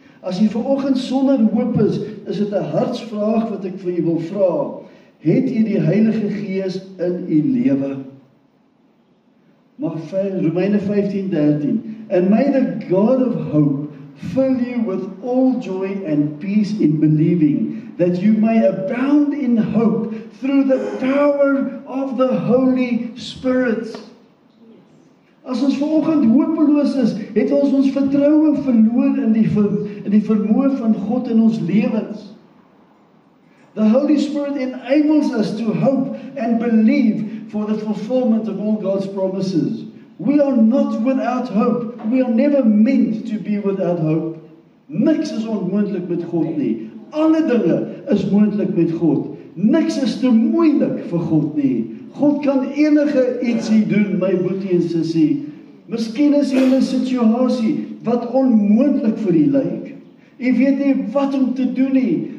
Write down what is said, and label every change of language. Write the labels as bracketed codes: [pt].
[af] As jy vanoggend sonder hoop is, is dit 'n hartsvraag wat ek vir jou wil vra. Het jy die Heilige Gees in jou lewe? Mag Romeine 15:13. [en] And may the God of hope fill you with all joy and peace in believing, that you may abound in hope through the power of the Holy Spirit. [af] As ons vanoggend hopeloos is, het ons ons vertroue verloor in die vermoë van God in ons lewens. [en] The Holy Spirit enables us to hope and believe for the fulfillment of all God's promises. We are not without hope. We are never meant to be without hope. [af] Niks is onmoontlik met God nie. Alle dinge is moontlik met God. Niks is te moeilik vir God nie. God kan enige ietsie doen, my boetie en sussie. Miskien is jy in 'n situasie wat onmoontlik vir jou lyk. Jy weet nie wat om te doen nie.